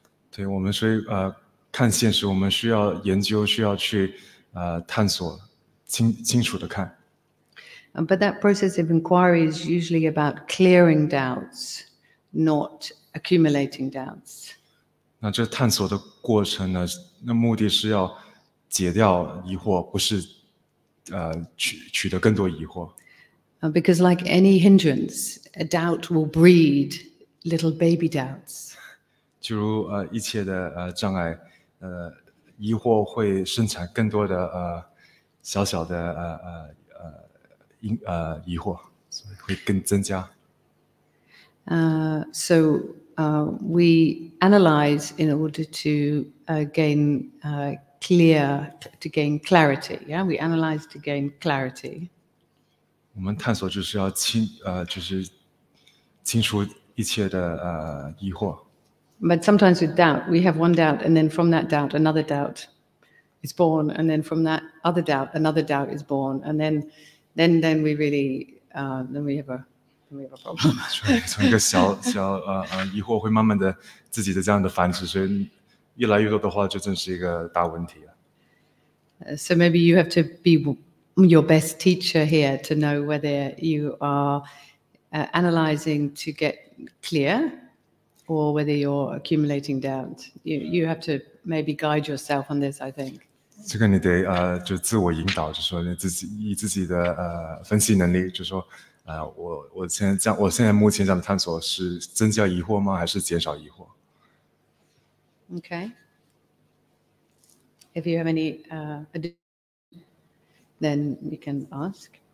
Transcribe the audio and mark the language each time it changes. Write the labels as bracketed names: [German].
[Chinese] 对，我们是看现实，我们需要研究，需要去探索，清楚的看。 [English] But that process of inquiry is usually about clearing doubts, not accumulating doubts. [Chinese] 那这探索的过程呢？那目的是要解掉疑惑，不是取得更多疑惑。 [English] Because like any hindrance, a doubt will breed little baby doubts. [Chinese] 就如一切的障碍，疑惑会生产更多的小小的疑惑，所以会更增加。 [English] So we analyze in order to gain clear, to gain clarity. Yeah, we analyze to gain clarity. [Chinese] 我们探索就是要清除一切的疑惑。 [English] But sometimes with doubt, we have one doubt, and then from that doubt, another doubt is born, and then from that other doubt, another doubt is born, and then we really, then we have a problem. [Chinese] 从一个小疑惑会慢慢的自己的这样的繁殖，所以越来越多的话，就真是一个大问题了。 [English] So maybe you have to be your best teacher here to know whether you are analyzing to get clear. Or whether you're accumulating doubt, you have to maybe guide yourself on this. I think. [Chinese] 这个你得就自我引导，就说你自己的分析能力，就说我现在目前这样探索是增加疑惑吗，还是减少疑惑 [English] ？Okay. If you have any then you can ask.